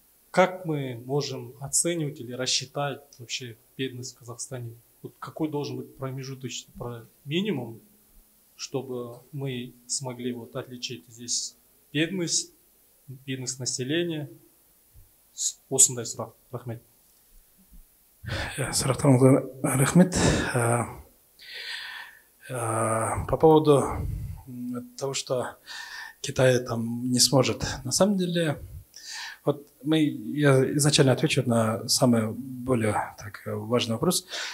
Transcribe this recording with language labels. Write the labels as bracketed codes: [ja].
[ru] Как мы можем оценивать или рассчитать вообще бедность в Казахстане? Вот какой должен быть промежуточный, про минимум, чтобы мы смогли вот отличить здесь бедность населения? [kk] Осындай сұрақ. Рахмет. Сұрақтарыңызға рахмет. [ru] По поводу того, что Китай там не сможет. На самом деле, вот я изначально отвечу на самый более так, важный вопрос.